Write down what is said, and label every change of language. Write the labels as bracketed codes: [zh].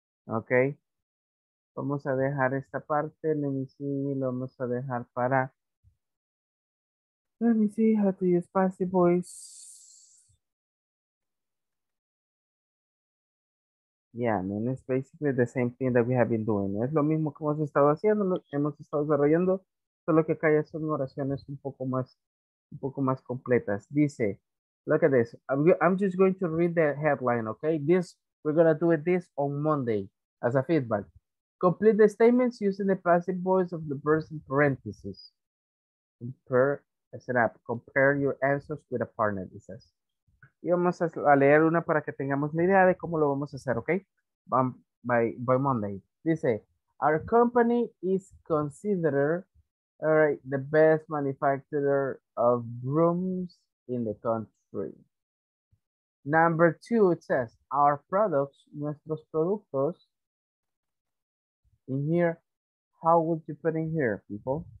[en] Okay. [es] Vamos a dejar esta parte, [en] let me see, [es] lo vamos a dejar para, [en] let me see how to use passive voice. Yeah, I mean, it's basically the same thing that we have been doing. [es] Es lo mismo que hemos estado haciendo, hemos estado desarrollando, solo que acá ya son oraciones un poco más completas. [en] Dice, look at this. I'm just going to read the headline, okay? This, we're going to do it this on Monday as a feedback. Complete the statements using the passive voice of the person parentheses. Compare your answers with a partner, it says. [es] Y vamos a leer una para que tengamos la idea de cómo lo vamos a hacer, ¿ok? [en] By Monday. Dice, our company is considered, all right, the best manufacturer of brooms in the country. Number two, it says, our products, [es] nuestros productos, [en] in here, how would you put in here, people?